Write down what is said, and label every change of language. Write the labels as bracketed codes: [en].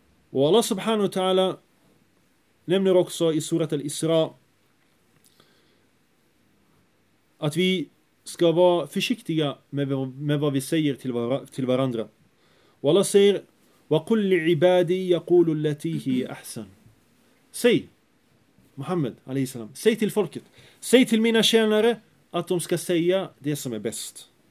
[sv] Och Allah subhanahu wa ta'ala nämner också i surat al-Isra att vi ska vara försiktiga med vad vi säger till varandra. Och Allah säger: [ar] وَقُلْ لِعِبَادِي يَقُولُ الَّتِي هِيَ أَحْسَنُ. [sv] Säg, Muhammad a.s. Säg till folket. Säg till mina tjänare att de ska säga det som är bäst.